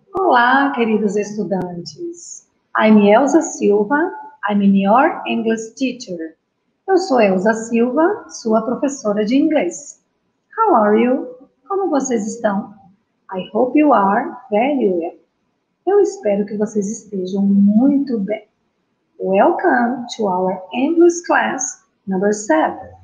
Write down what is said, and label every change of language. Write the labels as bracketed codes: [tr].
[pt] Olá, queridos estudantes. [en] I'm Elsa Silva. I'm your English teacher. [pt] Eu sou Elsa Silva, sua professora de inglês. [en] How are you? [pt] Como vocês estão? [en] I hope you are very well. [pt] Eu espero que vocês estejam muito bem. [en] Welcome to our English class number 7.